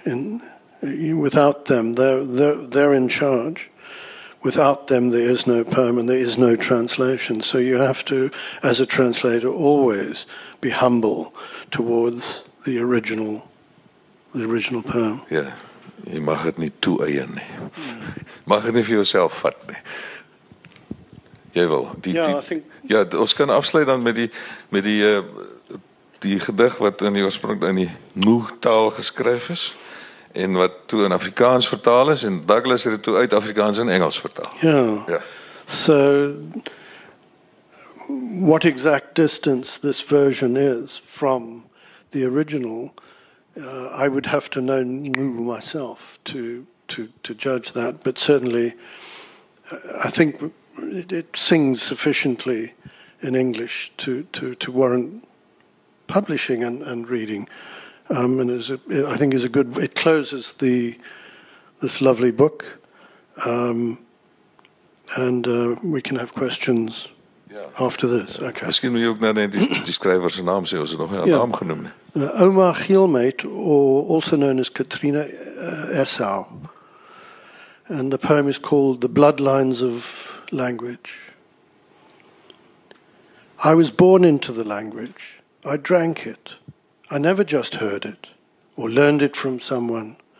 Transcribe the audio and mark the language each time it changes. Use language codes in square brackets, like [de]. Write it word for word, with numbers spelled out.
[en] In without them, they're, they're they're in charge. Without them, there is no poem and there is no translation. So you have to, as a translator, always be humble towards the original, the original poem. [af] Yeah, you mag het niet toe-eien nie. Mag het nie vir jouself vat nie. Jy wil. Die, ja, die, ja, ons kan afsluit dan met die met die uh, die gedig wat in die oorsprong in die Moe-taal geskryf is en wat toe in Afrikaans vertaal is en Douglas het dit toe uit Afrikaans en Engels vertaal. Ja. ja. [en] So what exact distance this version is from the original, uh, I would have to know Moe myself to to to judge that, but certainly I think It, it sings sufficiently in English to, to, to warrant publishing and, and reading, um, and is a, I think is a good. It closes the this lovely book, um, and uh, we can have questions yeah. after this. Okay. [nl] Misschien moet je ook naar die schrijver zijn naam zeggen, ze nog een naam genoemd. [en] Uh, Omar Gilmate, or also known as Katrina uh, Esau, and the poem is called "The Bloodlines of Language." I was born into the language. I drank it. I never just heard it or learned it from someone.